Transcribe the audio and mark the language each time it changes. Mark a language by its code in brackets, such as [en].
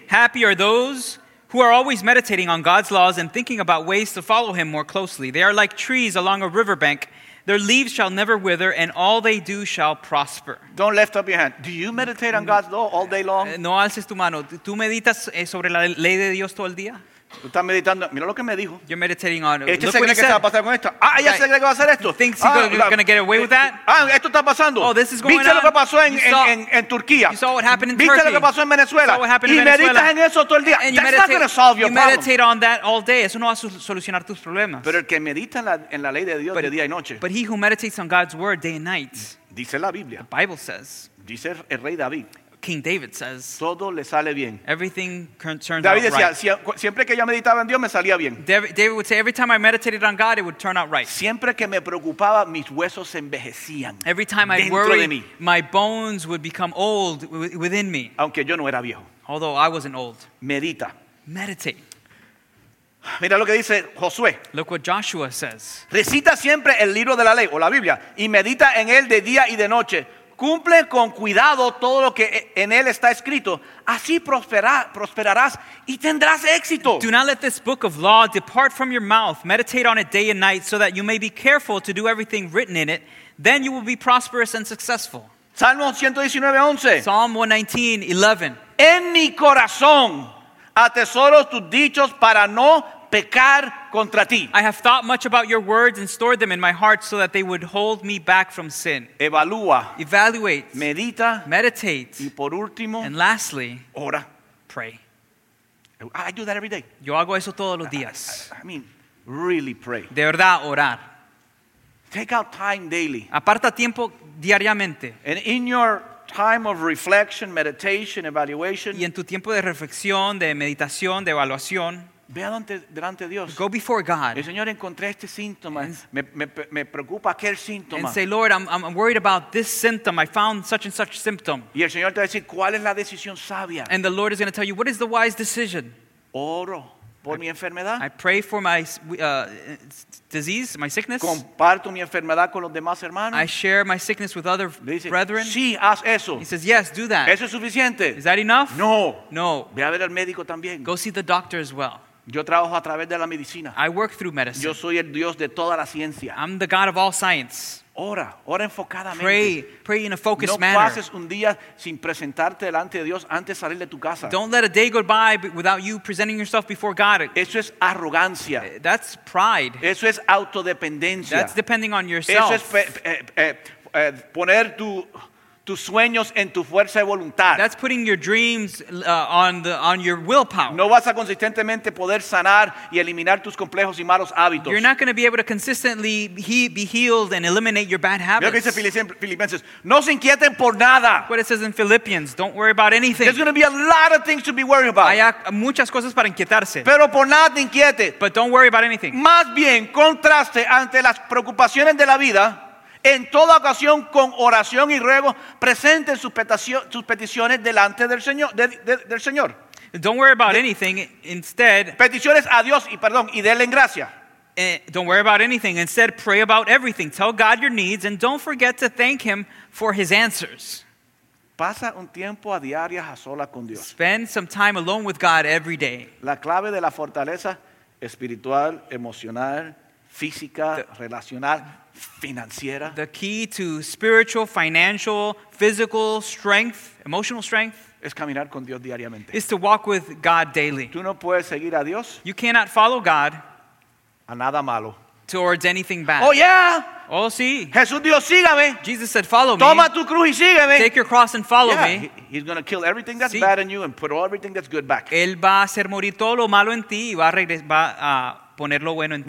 [en] Happy are those who are always meditating on God's laws and thinking about ways to follow him more closely. They are like trees along a riverbank. Their leaves shall never wither, and all they do shall prosper. Don't lift up your hand. Do you meditate on God's law all day long? [es] No alces tu mano. ¿Tú meditas sobre la ley de Dios todo el día? Tú estás meditando. Mira lo que me dijo. [en] You're meditating on it. [es] ¿Este se cree que se va a pasar con esto? Ah, ella se cree que va a hacer esto. [en] You think you're going to get away with that? [es] Ah, esto está pasando. [en] Oh, this is going on. [es] ¿Viste lo que pasó en Turquía? [en] You saw what happened in [es] Turkey. ¿Viste lo que pasó en Venezuela? [en] You saw what happened in [es] Venezuela. Y meditas en eso todo el día. [en] That's not going to solve your problem. You meditate on that all day. [es] Eso no va a solucionar tus problemas. Pero el que medita en la ley de Dios de día y noche. [en] But he who meditates on God's word day and night. [es] Dice la Biblia. [en] The Bible says. [es] Dice el rey David. [en] King David says, [es] todo le sale bien. [en] Everything turned [es] David [en] out [es] decía, [en] right. [es] Siempre que yo meditaba en Dios, me salía bien. [en] David would say, every time I meditated on God, it would turn out right. [es] Siempre que me preocupaba, mis huesos se envejecían. [en] Every time I worried, my bones would become old within me. [es] Aunque yo no era viejo. [en] Although I wasn't old. [es] Medita. [en] Meditate. [es] Mira lo que dice Josué. [en] Look what Joshua says. [es] Recita siempre el libro de la ley, o la Biblia, y medita en él de día y de noche. Cumple con cuidado todo lo que en él está escrito. Así prosperarás y tendrás éxito. [en] Do not let this book of law depart from your mouth. Meditate on it day and night so that you may be careful to do everything written in it. Then you will be prosperous and successful. [es] Salmo 119:11. [en] Psalm 119:11. [es] En mi corazón atesoro tus dichos para no pecar contra ti. [en] I have thought much about your words and stored them in my heart so that they would hold me back from sin. [es] Evalúa. [en] Evaluate. [es] Medita. [en] Meditate. [es] Y por último, [en] and lastly, [es] ora. [en] Pray. I do that every day. [es] Yo hago eso todos los días. [en] I mean, really pray. [es] De verdad, orar. [en] Take out time daily. [es] Aparta tiempo diariamente. [en] And in your time of reflection, meditation, evaluation. [es] Y en tu tiempo de reflexión, de meditación, de evaluación. Ve delante de Dios. [en] Go before God. [es] El Señor, encontré este síntoma. Me preocupa aquel síntoma. [en] And say, Lord, I'm worried about this symptom. I found such and such symptom. [es] Y el Señor te va a decir, ¿cuál es la decisión sabia? [en] And the Lord is going to tell you, what is the wise decision? [es] Oro por mi enfermedad. [en] I pray for my disease, my sickness. [es] Comparto mi enfermedad con los demás hermanos. [en] I share my sickness with other brethren. [es] Sí, haz eso. [en] He says, yes, do that. [es] ¿Eso es suficiente? [en] Is that enough? [es] No. [en] No. [es] Ve a ver al médico también. [en] Go see the doctor as well. [es] Yo trabajo a través de la medicina. [en] I work through medicine. [es] Yo soy el Dios de toda la ciencia. [en] I'm the God of all science. [es] Ora, ora enfocadamente. [en] Pray in a focused [es] no [en] manner. [es] No pases un día sin presentarte delante de Dios antes de salir de tu casa. [en] Don't let a day go by without you presenting yourself before God. [es] Eso es arrogancia. [en] That's pride. [es] Eso es autodependencia. [en] That's depending on yourself. [es] Eso es poner tus sueños en tu fuerza de voluntad. [en] That's putting your dreams on your willpower. [es] No vas a consistentemente poder sanar y eliminar tus complejos y malos hábitos. [en] You're not going to be able to consistently be healed and eliminate your bad habits. [es] Mira lo que dice Filipenses. No se inquieten por nada. [en] What it says in Philippians. Don't worry about anything. There's going to be a lot of things to be worried about. [es] Hay muchas cosas para inquietarse. Pero por nada inquiete. [en] But don't worry about anything. [es] Más bien, contraste ante las preocupaciones de la vida. En toda ocasión, con oración y ruego, presenten sus peticiones delante del Señor. Del Señor. [en] Don't worry about anything. Instead, [es] peticiones a Dios y perdón y denle gracia. [en] Don't worry about anything. Instead, pray about everything. Tell God your needs and don't forget to thank Him for His answers. [es] Pasa un tiempo a diarias a solas con Dios. [en] Spend some time alone with God every day. [es] La clave de la fortaleza espiritual, emocional, física, relacional. Financiera. [en] The key to spiritual, financial, physical strength, emotional strength, [es] es caminar con Dios diariamente. [en] Is to walk with God daily. [es] Tú no puedes seguir a Dios. [en] You cannot follow God [es] a nada malo. [en] Towards anything bad. Oh yeah. [es] Oh sí. Jesús dijo, sígame. [en] Jesus said, follow me. [es] Toma tu cruz y sígame. [en] Take your cross and follow yeah. me. He's going to kill everything that's [es] sí. [en] bad in you and put all everything that's good back. [es] Él va a hacer morir todo lo malo en ti y va a regresar a ponerlo bueno en ti.